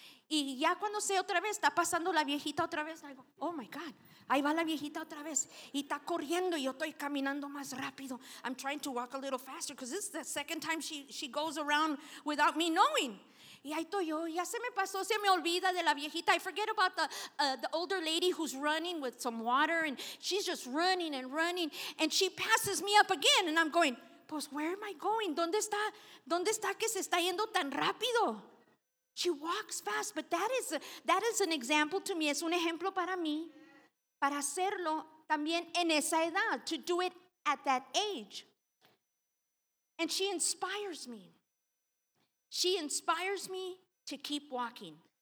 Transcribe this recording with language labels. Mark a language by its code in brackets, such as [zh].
[es] Y ya cuando sé otra vez, está pasando la viejita otra vez, digo, [en] oh my God, [es] ahí va la viejita otra vez. Y está corriendo y yo estoy caminando más rápido. [en] I'm trying to walk a little faster because this is the second time she goes around without me knowing. [es] Y ahí estoy yo, ya se me pasó, se me olvida de la viejita. [en] I forget about the older lady who's running with some water and she's just running and running and she passes me up again and I'm going, pues, where am I going? [es] ¿Dónde está que se está yendo tan rápido? [en] She walks fast, but that is an example to me. [es] Es un ejemplo para mí, para hacerlo también en esa edad, [en] to do it at that age. And she inspires me. She inspires me to keep walking.